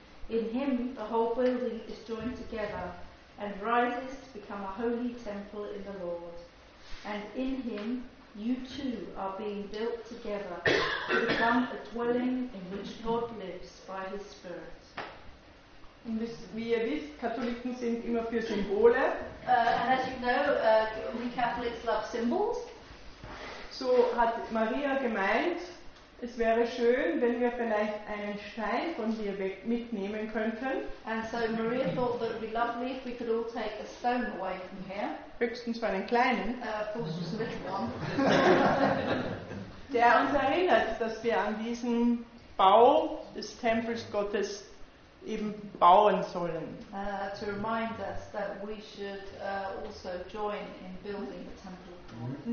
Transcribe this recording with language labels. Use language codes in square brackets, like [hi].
[en] In him the whole building is joined together and rises to become a holy temple in the Lord. And in him you too are being built together to become a dwelling in which God lives by his Spirit. [de] Und wie ihr wisst, Katholiken sind immer für Symbole. [en] And as you know, we Catholics love symbols. [de] So hat Maria gemeint, es wäre schön, wenn wir vielleicht einen Stein von hier weg mitnehmen könnten. [en] And so Maria thought that it would be lovely if we could all take a stone away from here. [de] Höchstens für einen kleinen. [en] Of course, just a little one. [de] Der uns erinnert, dass wir an diesem Bau des Tempels Gottes eben bauen sollen. [en] To remind us that we should also join in building the temple.